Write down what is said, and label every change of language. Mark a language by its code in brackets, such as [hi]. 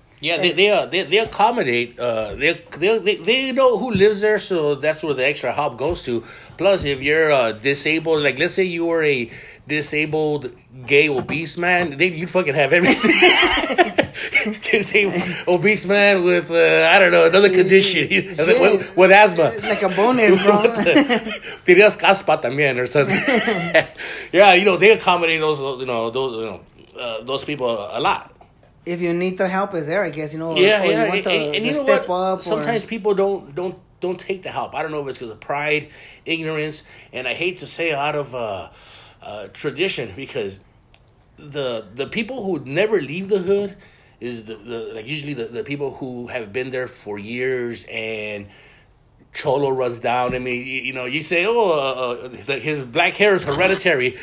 [en] Yeah, and they accommodate, they know who lives there, so that's where the extra help goes to. Plus, if you're disabled, like, let's say you were a disabled gay obese man, you'd fucking have everything. Obese man with I don't know, another condition. Yeah. with asthma. Like a bonus, bro. [es] Tenías caspa también [en] or something. Yeah, you know, they accommodate those people a lot. If you need the help, is there, I guess, you know. Yeah, you know, step up. Sometimes people don't take the help. I don't know if it's because of pride, ignorance, and I hate to say out of tradition, because the people who never leave the hood is the people who have been there for years and Cholo runs down. I mean, you know, you say, his black hair is hereditary.